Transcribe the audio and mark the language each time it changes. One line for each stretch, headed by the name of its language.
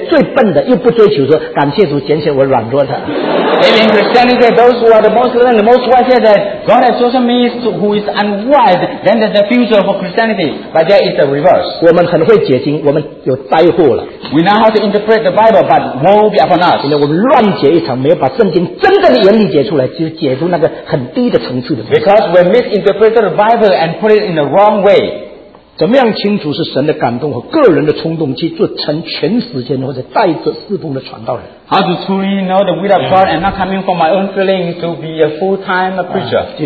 Chinese: 所以基督教里面最有学问的人，如果能说我是愚昧的，我是软弱的，上帝拣选了这个软弱的，教会就有前途了。最聪明的说自己软弱，现在最笨的又不追求说感谢主拣选我软弱的。
English: Amen. Christianity says those who are the most learned, the most wise say that God has chosen me who is unwise, then there's the future for Christianity. But there is the reverse.
Chinese: 我们很会解经, 我们有灾祸了。
English: We know how to interpret the Bible, but woe be upon us.
Chinese: 因为我们乱解一场, 没有把圣经真正的原理解出来, 就解出那个很低的层次的层次。
English: Because we misinterpreted the Bible and put it in the wrong way.
Chinese: 怎么样清楚是神的感动和个人的冲动去做成全时间或者带着侍奉的传道人?
English: How to truly know the will of God and not coming from my own feeling to be a full-time preacher?